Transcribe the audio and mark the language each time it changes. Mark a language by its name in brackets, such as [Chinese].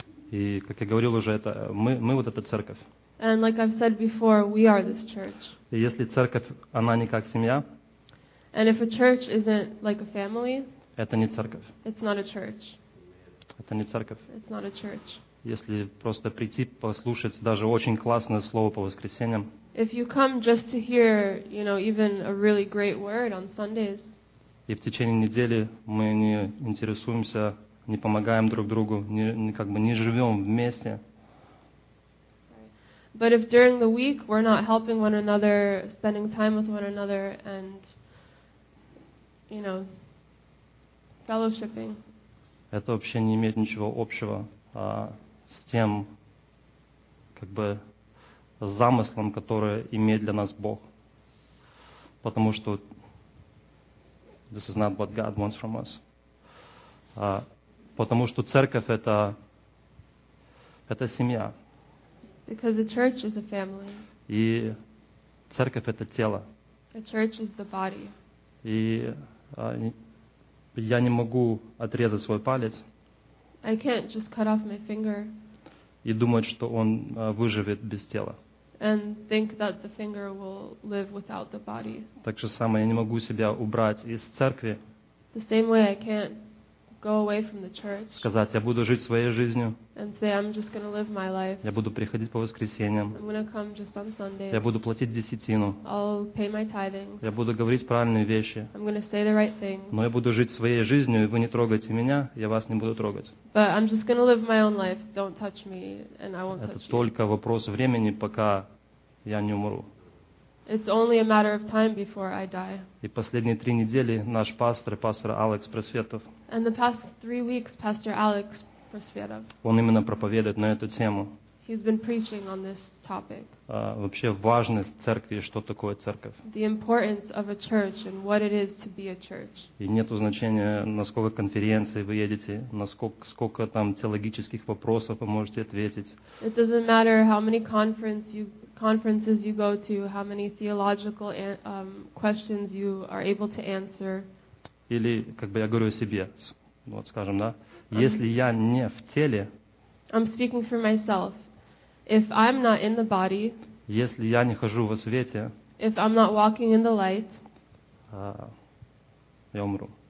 [Russian] И, как я говорил уже, это мы вот эта церковь. [English] And like I've said before, we are this church. [Russian] И если церковь, она не как семья, [English] and if a church isn't like a family, [Russian] это не церковь. [English] It's not a church. [Russian] Это не церковь. [English] It's not a church. [Russian] Если просто прийти, послушать даже очень классное слово по воскресеньям, [English] if you come just to hear, you know, even a really great word on Sundays, [Russian] и в течение недели мы не интересуемся, не помогаем друг другу, не, как бы не живем вместе. [English] But if during the week we're not helping one another, spending time with one another, and, you know, fellowshipping, [Russian] это вообще не имеет ничего общего с тем, как бы, замыслом, который имеет для нас Бог. Потому что [English] this is not what God wants from us. [Russian] Потому что церковь — это семья. [English] Because the church is a family. [Russian] И церковь — это тело. [English] The church is the body. [Russian] И я не могу отрезать свой палец. [English] I can't just cut off my finger. [Russian] И думать, что он выживет без тела. [English] And think that the finger will live without the body. [Russian] Так же самое я не могу себя убрать из церкви. [English] The same way I can't go away from the church. [Russian] Сказать, я буду жить своей жизнью. [English] And say I'm just going to live my life. [Russian] Я буду приходить по воскресеньям. [English] I'm going to come just on Sundays. [Russian] Я буду платить десятину. [English] I'll pay my tithings. [Russian] Я буду говорить правильные вещи. [English] I'm going to say the right things. [Russian] Но я буду жить своей жизнью, и вы не трогайте меня, я вас не буду трогать. [English] But I'm just going to live my own life. Don't touch me, and I won't [Russian] это [English] touch you. [Russian] Это только вопрос времени, пока я не умру. [English] It's only a matter of time before I die. [Russian] И последние три недели наш пастор, пастор Алекс Просветов, [English] and the past 3 weeks, Pastor Alex Prosvetov, [Russian] он именно проповедует на эту тему. [English] He's been preaching on this topic. [Russian] Вообще важность церкви, что такое церковь. [English] The importance of a church and what it is to be a church. [Russian] И нету значения, на сколько конференций вы едете, на сколько там теологических вопросов вы можете ответить. [English] It doesn't matter how many conferences you go to, how many theological questions you are able to answer. [Russian] Или, как бы, я говорю о себе, вот скажем, да, если я не в теле, [English] I'm speaking for myself. If I'm not in the body, [Russian] если я не хожу во свете, [English] if I'm not walking in the light, [Russian] я умру.